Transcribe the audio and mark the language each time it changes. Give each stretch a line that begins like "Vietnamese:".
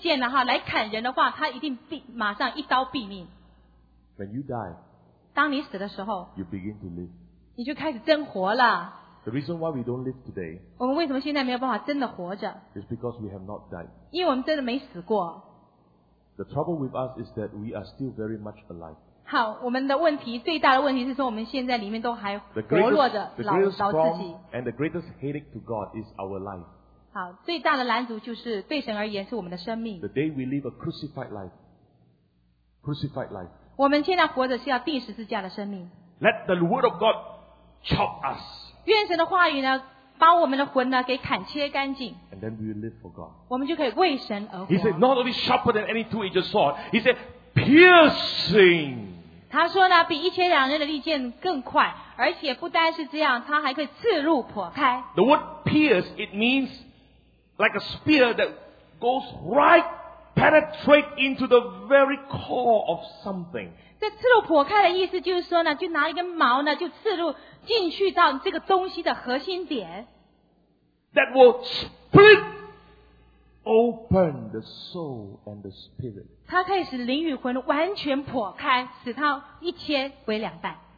Chinese: 好，你如果呢使用呢这样的一根利剑，然后来砍人的话，他一定马上一刀毙命。
English: When you die,
Chinese: 当你死的时候
English: you begin to live.
Chinese: 你就开始真活了。
English: The reason why we don't live today,
Chinese: 我们为什么现在没有办法真的活着？
English: Is because we have not died.
Chinese: 因为我们真的没死过。
English: The trouble with us is that we are still very much alive.
Chinese: 好，我们的问题最大的问题是说我们现在里面都还活络着，老着自己。
English: And the greatest headache to God is our life.
Chinese: 好，最大的拦阻就是对神而言是我们的生命。
English: The day we live a crucified life, crucified life.
Chinese: 我们现在活着是要钉十字架的生命。
English: Let the Word of God chop us.
Chinese: 愿神的话语呢？把我们的魂呢给砍切干净,
English: and then we will live for God.
Chinese: 我们就可以为神而活。
English: He said, not only sharper than any two-edged sword, He said, piercing.
Chinese: 他说呢，比一千两刃的利剑更快，而且不单是这样，他还可以刺入剖开。
English: The word pierce, it means like a spear that goes right, penetrate into the very core of something.
Chinese: 这刺入剖开的意思就是说呢，就拿一根矛呢，就刺入进去到这个东西的核心点。
English: That will split open the soul and the spirit.
Chinese: 它可以使灵与魂完全剖开，使它一切为两半。